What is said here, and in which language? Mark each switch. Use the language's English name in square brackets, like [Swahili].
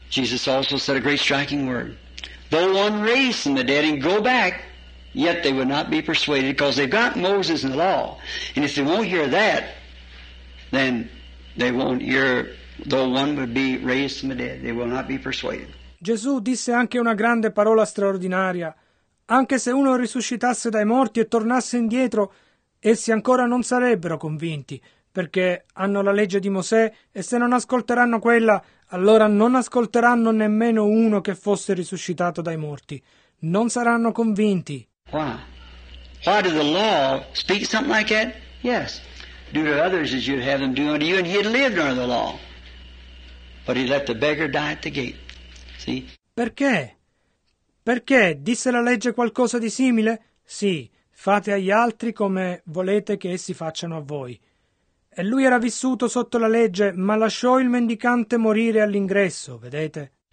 [English] Jesus also said a great striking word. Though one raise from the dead and go back, yet they would not be persuaded, because they've got Moses and the law. And if they won't hear that, then they won't hear, though one would be raised from the dead, they will not be persuaded. [Italian] Gesù disse anche una grande parola straordinaria. Anche se uno risuscitasse dai morti e tornasse indietro, essi ancora non sarebbero convinti, perché hanno la legge di Mosè, e se non ascolteranno quella, allora non ascolteranno nemmeno uno che fosse risuscitato dai morti. Non saranno convinti. [English] Why? Why did the law speak something like that? Yes. Do to others as you'd have them do unto you, and he had lived under the law. But he let the beggar die at the gate. See? [Italian] Perché? Perché disse la legge qualcosa di simile? Sì, fate agli altri come volete che essi facciano a voi. E lui era vissuto sotto la legge, ma lasciò il mendicante morire all'ingresso, vedete?